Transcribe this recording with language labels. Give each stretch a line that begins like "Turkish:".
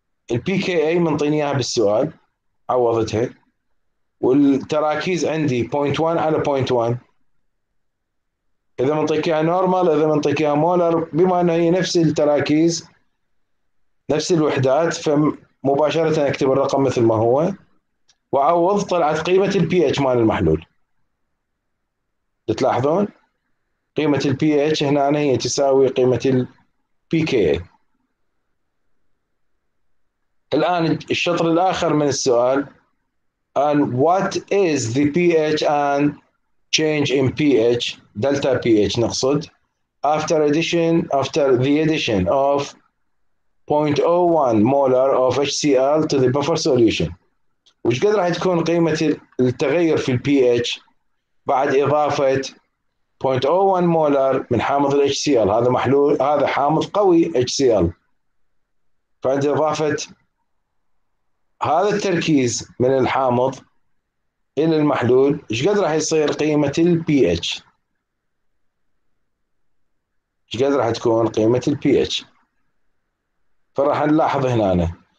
Arabic: الـ pKa منطيني إياها بالسؤال عوضتها، والتراكيز عندي 0.1 على 0.1، إذا منطيك إياها نورمال إذا منطيك إياها مولر، بما أنها هي نفس التراكيز نفس الوحدات، فمباشرة اكتب الرقم مثل ما هو وعوض، طلعت قيمة الـ pH مال المحلول. تلاحظون قيمة الـ pH هنا هي تساوي قيمة الـ pKa. الآن الشطر الآخر من السؤال،
English: and what is the pH and change in pH delta pH نقصد after the addition of 0.01 molar of HCl to the buffer solution.
Arabic: وش قد راح تكون قيمة التغير في الـ pH بعد إضافة 0.01 مولر من حامض الـ HCl؟ هذا محلول، هذا حامض قوي HCl. فعند إضافة هذا التركيز من الحامض إلى المحلول، وش قد راح يصير قيمة الـ pH؟ وش قد راح تكون قيمة الـ pH؟ فراح نلاحظ هنا أنا.